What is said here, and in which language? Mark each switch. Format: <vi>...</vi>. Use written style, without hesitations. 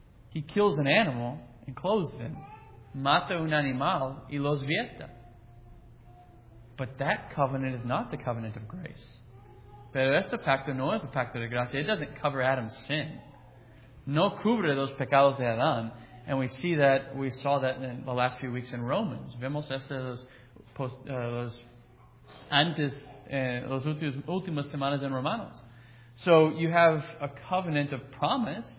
<en>He kills an animal and clothes them.</en> <es>Mata un animal y los vierta.</es> <en>But that covenant is not the covenant of grace.</en> <es>Pero este pacto no es el pacto de gracia.</es> <en>It doesn't cover Adam's sin.</en> <es>No cubre los pecados de Adán.</es> <en>And we see that, we saw that in the last few weeks in Romans.</en> <es>Vemos este los, post, los antes, los últimos, últimas semanas en Romanos.</es> <en>So you have a covenant of promise.</en>